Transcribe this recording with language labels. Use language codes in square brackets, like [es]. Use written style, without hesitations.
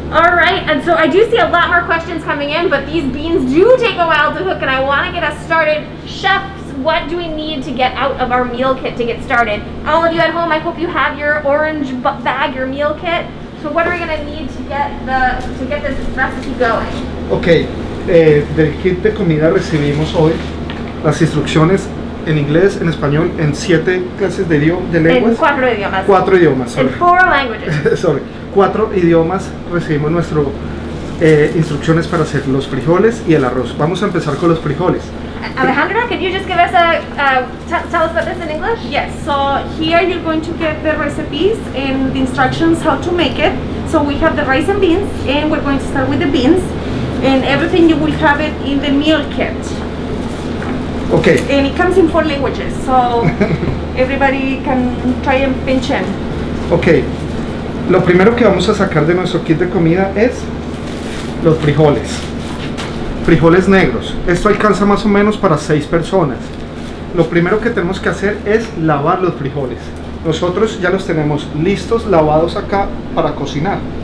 [en] All right, and so I do see a lot more questions coming in, but these beans do take a while to cook, and I wanna get us started. Chefs, what do we need to get out of our meal kit to get started? All of you at home, I hope you have your orange bag, your meal kit. So what are we gonna need to get this recipe going? [es] Okay, del kit de comida recibimos hoy las instrucciones en inglés, en español, en 7 clases de lenguas. En 4 idiomas. 4 idiomas, sorry. [en] In 4 languages. Sorry. [es] 4 idiomas recibimos nuestro instrucciones para hacer los frijoles y el arroz. Vamos a empezar con los frijoles. [en] Alejandra, can you just give us a, tell us about this in English? Yes, so here you're going to get the recipes and the instructions how to make it. So we have the rice and beans, and we're going to start with the beans, and everything you will have it in the meal kit. Okay. And it comes in 4 languages, so everybody can try and pinch in. [es] Okay, lo primero que vamos a sacar de nuestro kit de comida es los frijoles. Frijoles negros. Esto alcanza más o menos para 6 personas. Lo primero que tenemos que hacer es lavar los frijoles. Nosotros ya los tenemos listos, lavados acá para cocinar.